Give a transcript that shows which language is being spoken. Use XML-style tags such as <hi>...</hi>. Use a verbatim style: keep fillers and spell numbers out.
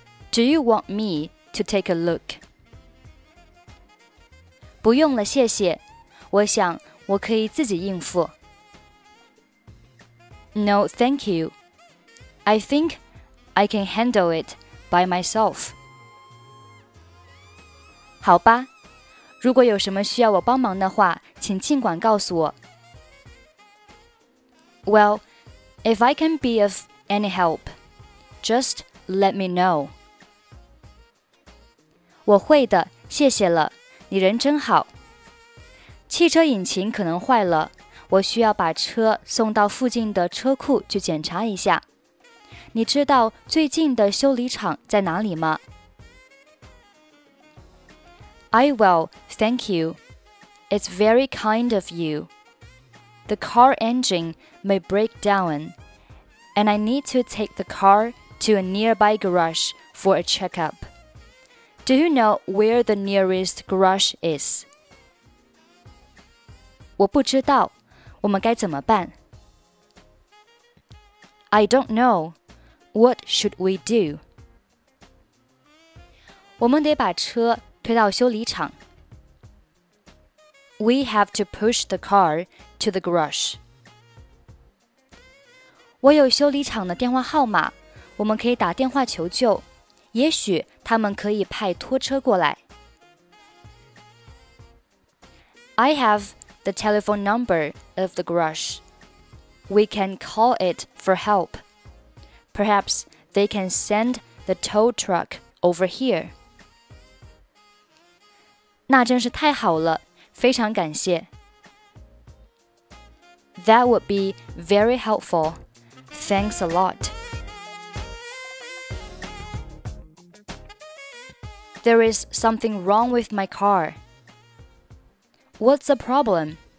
<en>Do you want me to take a look?</en> <zh>不用了，谢谢。我想我可以自己应付。</zh> <en>No, thank you. I think I can handle it by myself.</en> <zh>好吧，如果有什么需要我帮忙的话，请尽管告诉我。</zh> <en>Well, if I can be of any help, just let me know.</en> <zh>我会的，谢谢了。你人真好。汽车引擎可能坏了，我需要把车送到附近的车库去检查一下。你知道最近的修理厂在哪里吗？</zh> <en>I will, thank you. It's very kind of you. The car engine may break down, and I need to take the car to a nearby garage for a checkup. Do you know where the nearest garage is?</en> <zh>我不知道，我们该怎么办？</zh> <en>I don't know. What should we do?</en> <zh>我们得把车推到修理厂。</zh> <en>We have to push the car to the garage.</en> <zh>我有修理厂的电话号码，我们可以打电话求救。也许他们可以派拖车过来。</zh> <en>I have the telephone number of the garage. We can call it for help. Perhaps they can send the tow truck over here.</en> <zh>那真是太好了，非常感谢。</zh> <en>That would be very helpful. Thanks a lot. There is something wrong with my car. What's the problem?</en>